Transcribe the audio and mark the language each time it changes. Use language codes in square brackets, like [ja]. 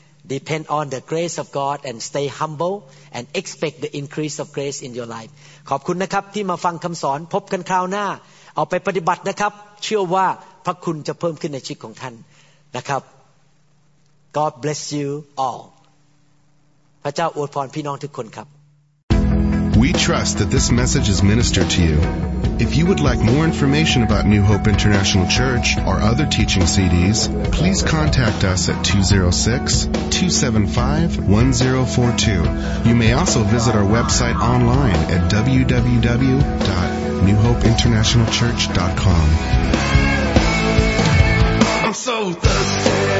[en] Depend on the grace of God and stay humble and expect the increase of grace in your life. [th] ขอบคุณนะครับที่มาฟังคำสอนพบกันคราวหน้าเอาไปปฏิบัตินะครับเชื่อว่าพระคุณจะเพิ่มขึ้นในชีวิตของท่านนะครับ [en] God bless you all [th] พระเจ้าอวยพรพี่น้องทุกคนครับ [en] We trust that this message is ministered to you If you would like more information about New Hope International Church or other teaching CDs please contact us at 206-275-1042 You may also visit our website online at www.newhopeinternationalchurch.com So thirsty